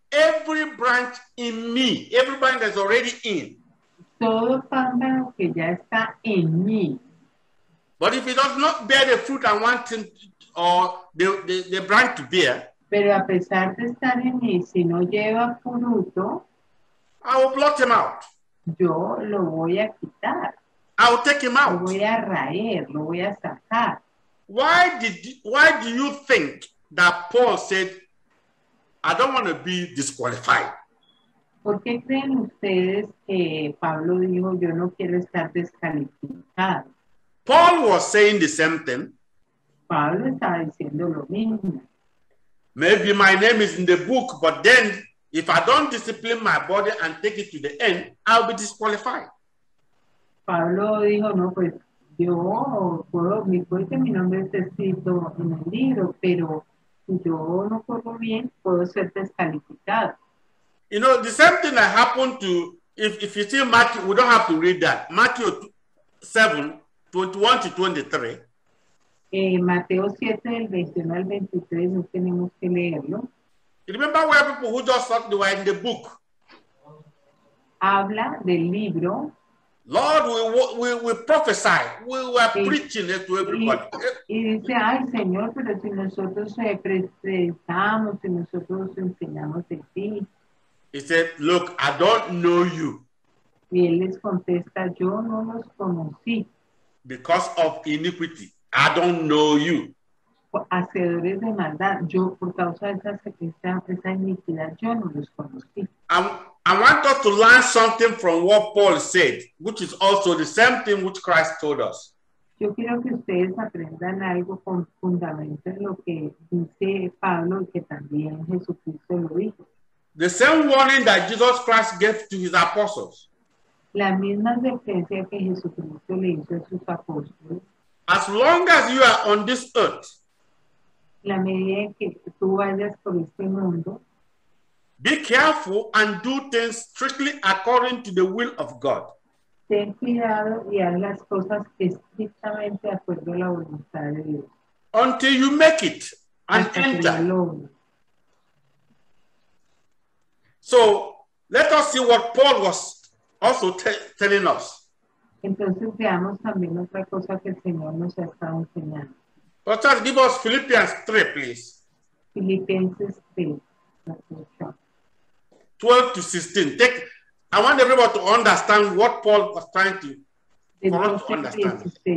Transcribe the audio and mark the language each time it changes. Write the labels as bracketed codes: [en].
[en] Every branch in me, every branch that's already in. [es] Todo pámpano que ya está en mí. [en] But if it does not bear the fruit I want him or the branch to bear. [es] Pero a pesar de estar en mí, si no lleva fruto. [en] I will blot him out. [es] Yo lo voy a quitar. [en] I will take him out. [es] Lo voy a raer, lo voy a sacar. [en] Why do you think that Paul said, I don't want to be disqualified. [es] ¿Por qué creen ustedes que Pablo dijo, yo no quiero estar descalificado? [en] Paul was saying the same thing. [es] Pablo estaba diciendo lo mismo. [en] Maybe my name is in the book, but then if I don't discipline my body and take it to the end, I'll be disqualified. [es] Pablo dijo, no, pues yo corro, mi fuerte, mi nombre está escrito en el libro, pero si yo no corro bien, puedo ser descalificado. [en] You know, the same thing that happened to, if you see Matthew, we don't have to read that. Matthew 7, 21 to 23. [es] Mateo 7, del 21 al 23, no tenemos que leerlo. [en] You remember where people who just thought they were in the book? [es] Habla del libro. [en] Lord, we prophesy. We were preaching it to everybody. [es] Y dice, ay, Señor, pero si nosotros prestamos, si nosotros enseñamos de ti. [en] He said, look, I don't know you. [es] Y él les contesta, yo no los conocí. [en] Because of iniquity, I don't know you. [es] Hacedores de maldad, yo por causa de esa iniquidad, yo no los conocí. [en] I want us to learn something from what Paul said, which is also the same thing which Christ told us. [es] Yo quiero que ustedes aprendan algo con fundamento en lo que dice Pablo y que también Jesucristo lo dijo. [en] The same warning that Jesus Christ gave to his apostles. [es] La misma advertencia que Jesucristo le hizo a sus apóstoles. [en] As long as you are on this earth. [es] La medida en que tú vayas por este mundo. [en] Be careful and do things strictly according to the will of God. [es] Ten cuidado y haz las cosas estrictamente de acuerdo a la voluntad de Dios. [en] Until you make it and [es] hasta [en] enter. [es] Que [en] so, let us see what Paul was also telling us. [es] Entonces, veamos también otra cosa que el Señor nos ha estado enseñando. [en] Pastor, give us Philippians 3, please. [es] Filipenses 3. [en] 12 to 16. I want everybody to understand what Paul was trying to, for us to understand.